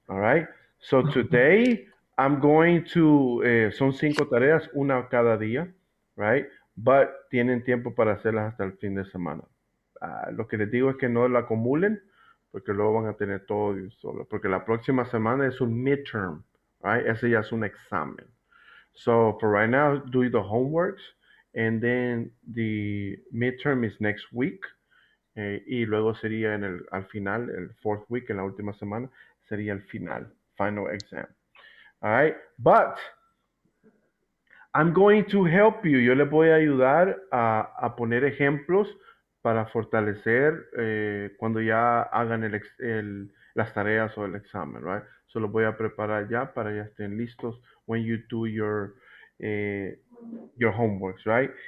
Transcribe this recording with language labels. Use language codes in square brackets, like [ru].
[en] All right? So today, I'm going to, [es] son cinco tareas, una cada día, [en] right? [es] But tienen tiempo para hacerlas hasta el fin de semana. Lo que les digo es que no la acumulen, porque luego van a tener todo y solo. Porque la próxima semana es un midterm, right? Ese ya es un examen. [en] So for right now, do the homeworks, and then the midterm is next week. [es] Y luego sería en el, al final, el [en] fourth week, [es] en la última semana, sería el final, [en] final exam. All right, but I'm going to help you. [es] Yo le voy a ayudar a poner ejemplos para fortalecer cuando ya hagan las tareas o el examen, right? So lo voy a preparar ya para ya estén listos [en] when you do your homeworks, right?